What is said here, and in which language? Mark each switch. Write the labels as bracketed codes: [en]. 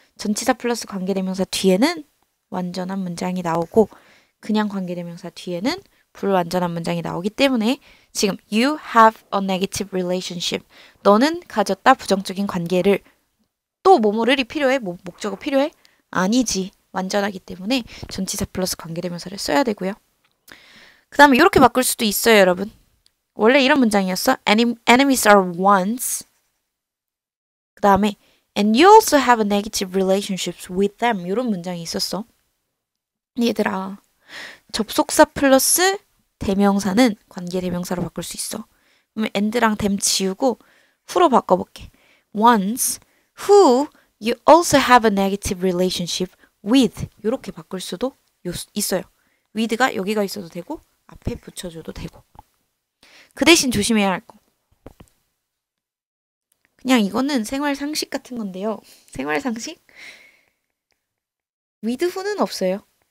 [ko] 전치사 플러스 관계 대명사 뒤에는 완전한 문장이 나오고, 그냥 관계대명사 뒤에는 불완전한 문장이 나오기 때문에, 지금, [en] you have a negative relationship. [ko] 너는 가졌다, 부정적인 관계를. 또, 뭐뭐를 필요해? 뭐, 목적어 필요해? 아니지. 완전하기 때문에, 전치사 플러스 관계대명사를 써야 되고요. 그 다음에, 이렇게 바꿀 수도 있어요, 여러분. 원래 이런 문장이었어. [en] Enemies are ones. [ko] 그 다음에, [en] and you also have a negative relationships with them. [ko] 이런 문장이 있었어. 얘들아, 접속사 플러스 대명사는 관계 대명사로 바꿀 수 있어. 그럼 and랑 them 지우고 who로 바꿔볼게. [en] Once, who you also have a negative relationship with. [ko] 이렇게 바꿀 수도 있어요. with가 여기가 있어도 되고 앞에 붙여줘도 되고. 그 대신 조심해야 할 거. 그냥 이거는 생활 상식 같은 건데요. 생활 상식? with, who는 없어요.